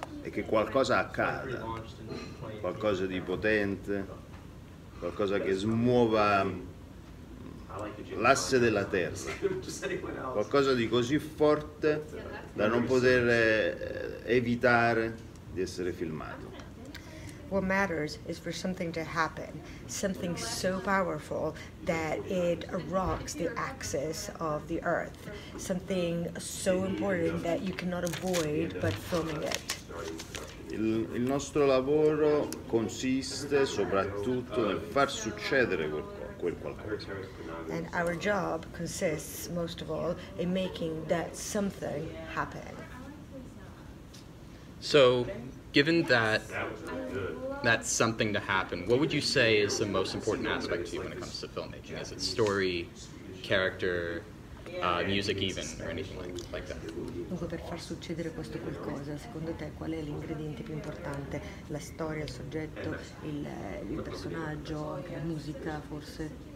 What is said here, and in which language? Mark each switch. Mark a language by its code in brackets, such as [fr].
[it] e che qualcosa accada, qualcosa di potente, qualcosa che smuova l'asse della terra, qualcosa di così forte da non poter evitare di essere filmato. [en] What matters is for something to happen, something so powerful that it rocks the axis of the earth, something so important that you cannot avoid but filming it. [it] Il nostro lavoro consiste soprattutto nel far succedere quel qualcosa. [en] And our job consists most of all in making that something happen. So, given that that's something to happen, what would you say is the most important aspect to you when it comes to filmmaking? Is it story, character, music even, or anything like that? [it] Dunque, per far succedere questo qualcosa, secondo te qual è l'ingrediente più importante? La storia, il soggetto, il personaggio, la musica, forse?